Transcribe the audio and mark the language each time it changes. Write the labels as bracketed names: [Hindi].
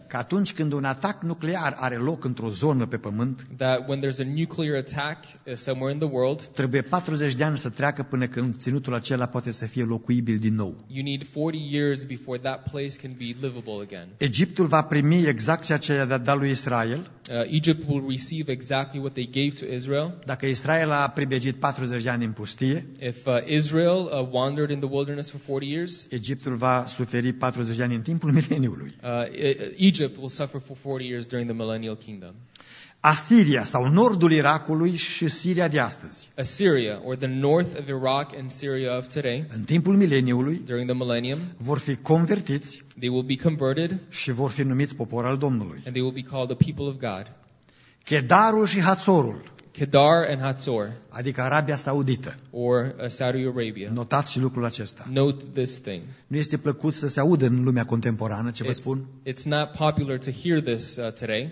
[Romanian] că atunci când un atac nuclear are loc într-o zonă pe pământ, [English] that when there's a nuclear attack somewhere in the world, [Romanian] trebuie 40 de ani să treacă până când ținutul acela poate să fie locuibil din nou. [English] You need 40 years before that place can be livable again. [Romanian] Egiptul va primi exact ceea ce i-a dat lui Israel. [English] Egypt will receive exactly what they gave to Israel. [Romanian] Dacă Israel a pribegit 40 de ani în pustie, [English] if Israel wandered in the wilderness for 40 years, [Romanian] Egiptul va suferi 40 de ani în timpul mileniului. [English] Egypt will suffer for 40 years during the millennial kingdom. [Romanian] Asiria sau nordul Irakului și Siria de astăzi. [English] Assyria or the north of Iraq and Syria of today. [Romanian] În timpul mileniului, [English] during the millennium, [Romanian] vor fi convertiți, [English] they will be converted, [Romanian] și vor fi numiți popor al Domnului. [English] And they will be called the people of God. [Romanian] Kedarul și Hațorul. [English] Kedar and Hatzor. [Romanian] Adică Arabia Saudită. [English] Or Saudi Arabia. [Romanian] Notați și lucrul acesta. [English] Note this thing. [Romanian] Nu este plăcut să se audă în lumea contemporană ce vă spun? [English] It's not popular to hear this today.